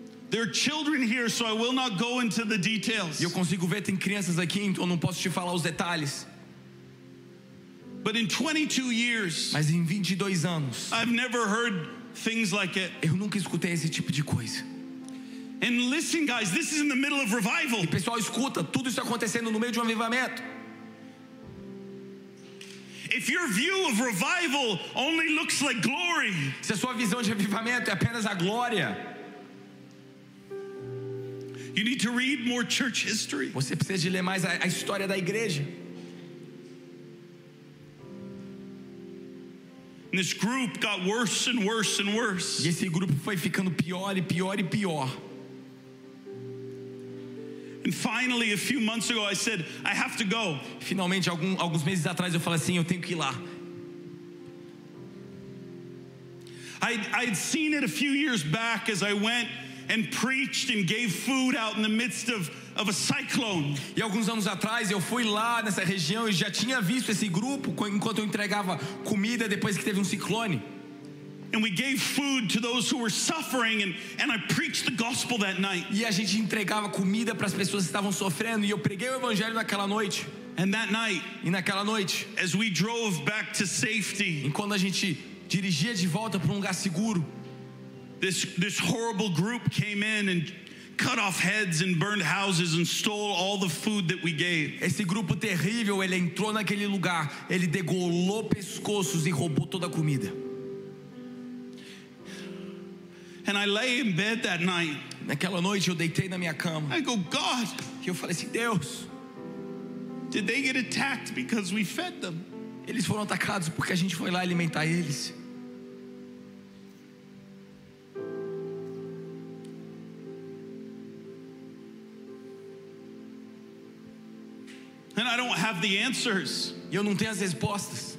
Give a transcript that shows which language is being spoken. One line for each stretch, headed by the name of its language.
English: There are children here, so I will not go into the details.
Portuguese: Eu consigo ver, tem crianças aqui, então não posso te falar os detalhes.
English: But in 22 years,
Portuguese: mas em 22 anos,
English: I've never heard things like it.
Portuguese: Eu nunca escutei esse tipo de coisa.
English: And listen, guys, this is in the middle of revival.
Portuguese: E pessoal, escuta, tudo isso acontecendo no meio de um avivamento.
English: If your view of revival only looks like glory,
Portuguese: se a sua visão de avivamento é apenas a glória,
English: you need to read more church history.
Portuguese: Você precisa de ler mais a história da igreja.
English: And this group got worse and worse and worse.
Portuguese: E esse grupo foi ficando pior e pior e pior.
English: And finally, a few months ago, I said, "I have to go."
Portuguese: Finalmente, alguns meses atrás, eu falei assim, eu tenho que ir lá.
English: I'd seen it a few years back as I went and preached and gave food out in the midst of a cyclone.
Portuguese: E alguns anos atrás, eu fui lá nessa região e já tinha visto esse grupo enquanto eu entregava comida depois que teve ciclone.
English: And we gave food to those who were suffering, and I preached the gospel that night.
Portuguese: E a gente entregava comida para as pessoas que estavam sofrendo, e eu preguei o evangelho naquela noite.
English: And that night,
Portuguese: e naquela noite,
English: as we drove back to safety,
Portuguese: e quando a gente dirigia de volta para lugar seguro,
English: this horrible group came in and cut off heads and burned houses and stole all the food that we gave.
Portuguese: Esse grupo terrível, ele entrou naquele lugar, ele degolou pescoços e roubou toda a comida.
English: And I lay in bed that night.
Portuguese: Naquela noite eu deitei na minha cama.
English: I go, "God."
Portuguese: E eu falei assim, Deus.
English: Did they get attacked because we fed them?
Portuguese: Eles foram atacados porque a gente foi lá alimentar eles.
English: And I don't have the answers.
Portuguese: E eu não tenho as respostas.